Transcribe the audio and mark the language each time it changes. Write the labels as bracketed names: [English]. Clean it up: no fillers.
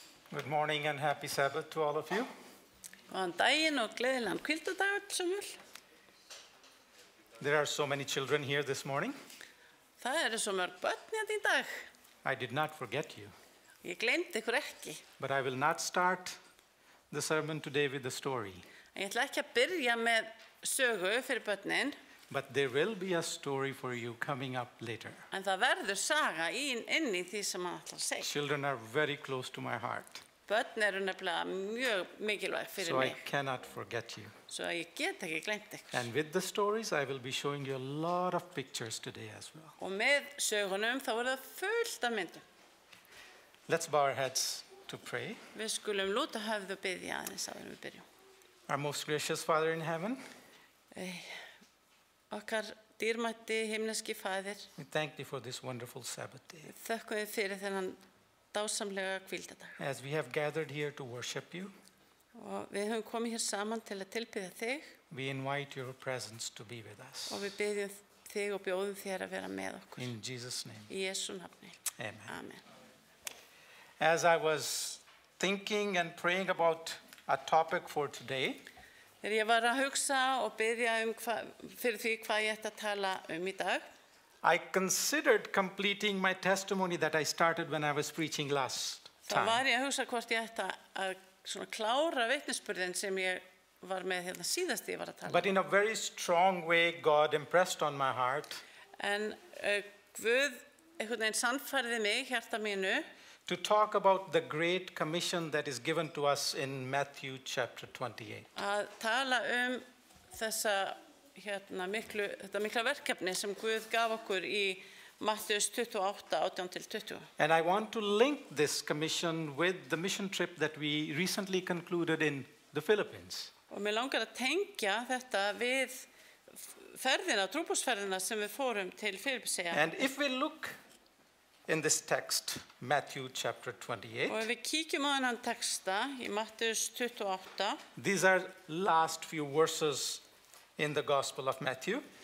[English] Good morning and happy Sabbath to all of you. [Icelandic] Góðan daginn og gleðilegan hvíldardag öll sem öll. [English] There are so many children here this morning. [Icelandic] Það eru svo mörg börn hérna í dag. [English] I did not forget you. [Icelandic] Ég gleymdi ykkur ekki. [English] But I will not start the sermon today with the story. [Icelandic] Ég ætla ekki að byrja með sögu fyrir börnin. [English] But there will be a story for you coming up later. [Icelandic] En það verður saga inn í því sem ætla að segja. [English] Children are very close to my heart. [Icelandic] Börn eru nefnilega mjög mikilvæg fyrir [English] so [Icelandic] mig. [English] I cannot forget you. [Icelandic] Svo ég get ekki gleymt ykkur. [English] And with the stories I will be showing you a lot of pictures today as well. [Icelandic] Og með sögunum þá verður fullt af myndum. [English] Let's bow our heads to pray. [Icelandic] Við skulum lúta höfðu og biðja aðeins áður við byrjum. [English] Our most gracious Father in heaven. [Icelandic] Okkar dýrmætti himneski faðir. [English] We thank thee for this wonderful Sabbath day. [Icelandic] Þökkum við fyrir þennan dásamlega hvíldardag. [English] As we have gathered here to worship you. [Icelandic] Og við höfum komið hér saman til að tilbiðja þig. [English] We invite your presence to be with us. [Icelandic] Og við biðjum þig og bjóðum þér að vera með okkur. [English] In Jesus' name. [Icelandic] Í Jesu nafni. Amen. Amen. [English] As I was thinking and praying about a topic for today. [Icelandic] Þegar ég var að hugsa og biðja fyrir því hvað ég ætti að tala í dag. [English] I considered completing my testimony that I started when I was preaching last time. [Icelandic] Þá var ég að hugsa hvort ég ætti að svona klára vitnisburðin sem ég var með hérna síðast ég var að tala. [English] But in a very strong way God impressed on my heart. [Icelandic] En Guð einhvern veginn sannfærði mig hjarta mínu. [English] To talk about the great commission that is given to us in Matthew chapter 28. [Icelandic] Að tala þessa hérna miklu þetta mikla verkefni sem Guð gaf okkur í Matthæus 28:18-20. [English] And I want to link this commission with the mission trip that we recently concluded in the Philippines. [Icelandic] Og mig langar að tengja þetta við ferðina trúboðsferðina sem við fórum til Filippseyja. [English] And if we look in this text Matthew chapter 28. [Icelandic] Og við kíkjum á þennan texta í Matthæus 28. [English] These are last few verses in the gospel of Matthew.